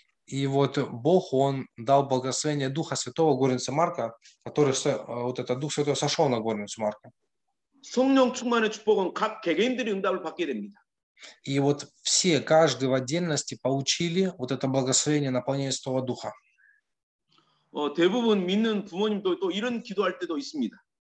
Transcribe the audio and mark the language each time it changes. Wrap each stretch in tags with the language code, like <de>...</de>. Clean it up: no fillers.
<ru>И вот Бог он дал благословение Духа Святого горницы Марка, который вот этот Дух Святой сошел на горницу Марка.</ru> <ko>성령 충만의 축복은 각 개개인들이 응답을 받게 됩니다.</ko> <ru>И вот все каждый в отдельности получили вот это благословение наполнения Святого Духа.</ru> <ko>대부분 믿는 부모님도 또 이런 기도할 때도 있습니다.</ko>